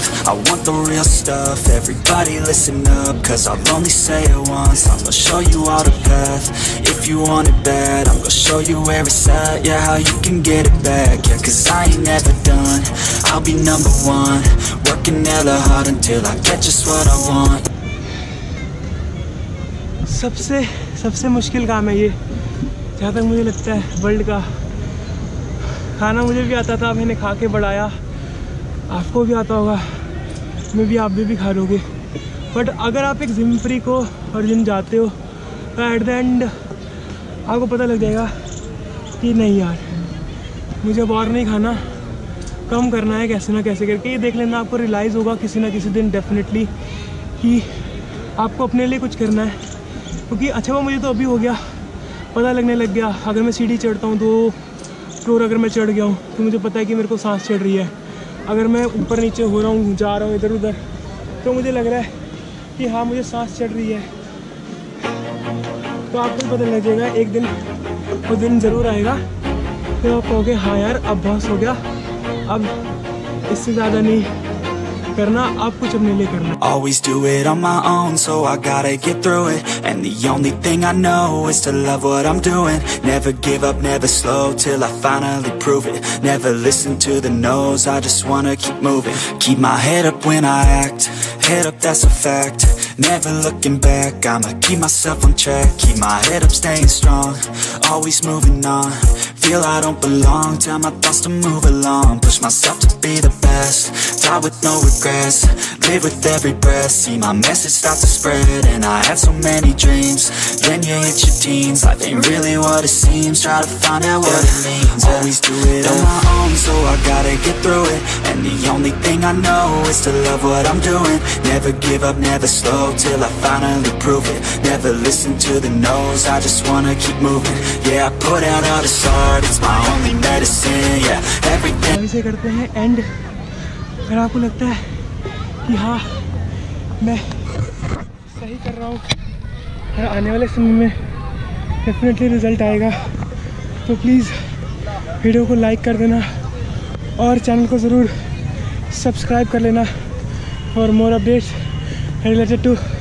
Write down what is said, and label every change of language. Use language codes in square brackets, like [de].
[en] I want the real stuff, everybody listen up, cause I'll only say it once. I'm gonna show you all the path, if you want it bad. I'm gonna show you where it's at, yeah, how you can get it back. Yeah, cause I ain't never done, I'll be number one. Working hella hard until I get just what I want. [hi] सबसे मुश्किल काम है ये, जहाँ तक मुझे लगता है वर्ल्ड का। खाना मुझे भी आता था, मैंने खा के बढ़ाया, आपको भी आता होगा, मैं भी आप भी खा लोगे। बट अगर आप एक जिम फ्रीक हो और जिम जाते हो तो [en] at the end [hi] आपको पता लग जाएगा कि नहीं यार मुझे अब और नहीं खाना, कम करना है कैसे ना कैसे करके। ये देख लेना, आपको रियलाइज़ होगा किसी ना किसी दिन डेफिनेटली कि आपको अपने लिए कुछ करना है। क्योंकि अच्छा वो मुझे तो अभी हो गया पता लगने लग गया, अगर मैं सीढ़ी चढ़ता हूँ तो फ्लोर अगर मैं चढ़ गया हूँ तो मुझे पता है कि मेरे को सांस चढ़ रही है, अगर मैं ऊपर नीचे हो रहा हूँ जा रहा हूँ इधर उधर तो मुझे लग रहा है कि हाँ मुझे सांस चढ़ रही है, तो आपको पता लग जाएगा एक दिन वो दिन ज़रूर आएगा तो आप कहोगे हाँ यार अब बस हो गया, अब इससे ज़्यादा नहीं करना, आप कुछ अपने लिए करना। [en] Always do it on my own, so I gotta get through it. And the only thing I know is to love what I'm doing. Never give up, never slow, till I finally prove it. Never listen to the no's, I just wanna keep moving. Keep my head up when I act, head up, that's a fact. Never looking back, I'ma keep myself on track. Keep my head up, staying strong, always moving on. Feel I don't belong, tell my thoughts to move along. Push myself to be the best, die with no regrets. Live with every breath, see my message start to spread. And I had so many dreams, then you hit your teens. Life ain't really what it seems, try to find out what it means. Always do it on my own, so I gotta get through it. And the only thing I know is to love what I'm doing. Never give up, never slow, till I finally prove it. Never listen to the no's, I just wanna keep moving. Yeah, I put out all the songs. [hi] ऐसे करते हैं and. अगर आपको लगता है कि हाँ मैं सही कर रहा हूँ और आने वाले समय में डेफिनेटली रिजल्ट आएगा तो प्लीज़ वीडियो को लाइक कर देना और चैनल को ज़रूर सब्सक्राइब कर लेना [en] For more updates related to.